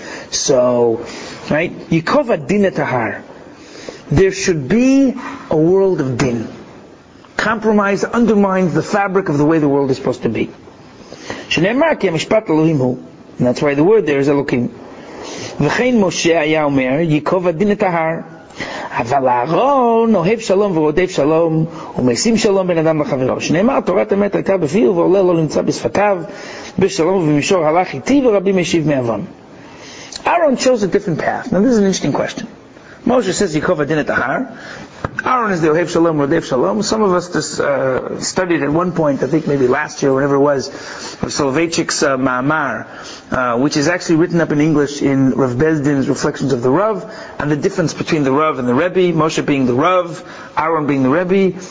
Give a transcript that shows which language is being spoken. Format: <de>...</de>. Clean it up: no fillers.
<en>So, right? Yikov Adin Etahar. There should be a world of din. Compromise undermines the fabric of the way the world is supposed to be. Shenemar ki mishpat Elohim hu. And that's why the word there is Elohim. V'chein Moshe haya omer, Yikov Adin Etahar.</en> <he>אבל אהרון אוהב שלום ורודף שלום ומשים שלום בין אדם לחברו שנאמר תורת אמת הייתה בפיו ועולה לא נמצא בשפתיו בשלום ובמישור הלך איתי ורבי משיב מאבון.</he> <en>Aaron chose a different path. Now this is an interesting question. Moshe says Yikov Adin Etahar. Aaron is the Ohev Shalom, Rodev Shalom. Some of us just studied at one point, I think maybe last year or whenever it was, of Soloveitchik's Ma'amar, which is actually written up in English in Rav Bezdin's Reflections of the Rav, and the difference between the Rav and the Rebbe, Moshe being the Rav, Aaron being the Rebbe.</en>